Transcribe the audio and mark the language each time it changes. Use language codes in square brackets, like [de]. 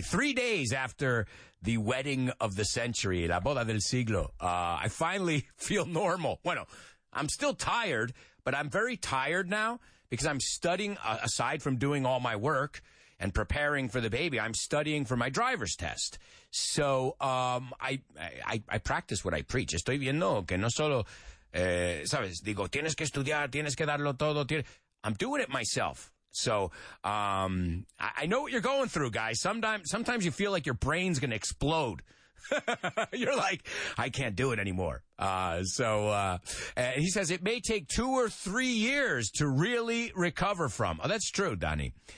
[en] 3 days after the wedding of the century, [es] la boda del siglo. [en] I finally feel normal. Bueno, I'm still tired, but I'm very tired now because I'm studying, aside from doing all my work and preparing for the baby, I'm studying for my driver's test. So I practice what I preach. [es] Estoy viendo que no solo, sabes, digo, tienes que estudiar, tienes que darlo todo. [en] I'm doing it myself. So I know what you're going through, guys. Sometimes you feel like your brain's going to explode. You're like, I can't do it anymore. He says it may take 2 or 3 years to really recover from. Oh, that's true, Donnie.